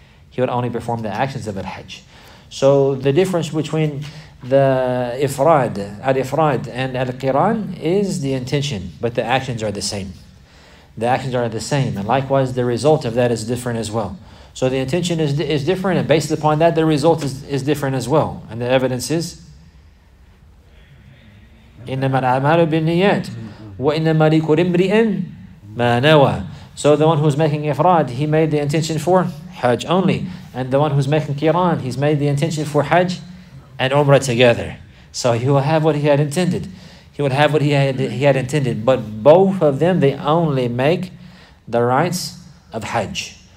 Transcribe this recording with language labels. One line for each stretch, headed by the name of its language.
English: He will only perform the actions of al-hajj. So the difference between the ifrad, al-ifrad and al-qiran is the intention, but the actions are the same. The actions are the same, and likewise the result of that is different as well. So the intention is different, and based upon that the result is different as well. And the evidence is
Arabic: إِنَّمَا الْعَمَالُ بِالنِّيَّاتِ وَإِنَّمَا لِكُلِ امْرِئٍ مَا نَوَى.
English: So the one who's making ifrad, he made the intention for hajj only. And the one who's making qiran, he's made the intention for hajj and umrah together. So he will have what he had intended. He would have what he had intended. But both of them, they only make the rites of hajj.